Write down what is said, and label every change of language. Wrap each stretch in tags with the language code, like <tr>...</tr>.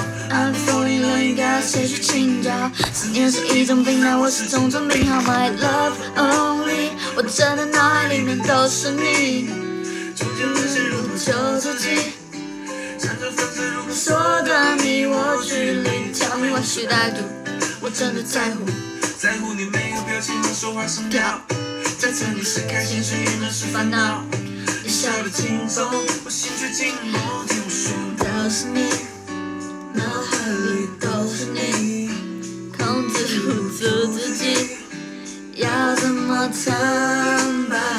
<en>I'm falling in love,</en> <zh>谁去请教？思念是一种病，那我是重症病号。</zh> <en>My love only，</en> <zh>我真的脑海里面都是你。逐渐沦陷入我旧足迹，辗转反侧，如何缩短你我距离？</zh> <en>Tell me what should I do？</en> <zh>我真的在乎，在乎你没有表情和说话声调，在这里是开心，是郁闷，是烦恼。你笑得轻松，我心却静默。听我说，都是你。脑海里都是你，控制不住自己，要怎么坦白？</zh>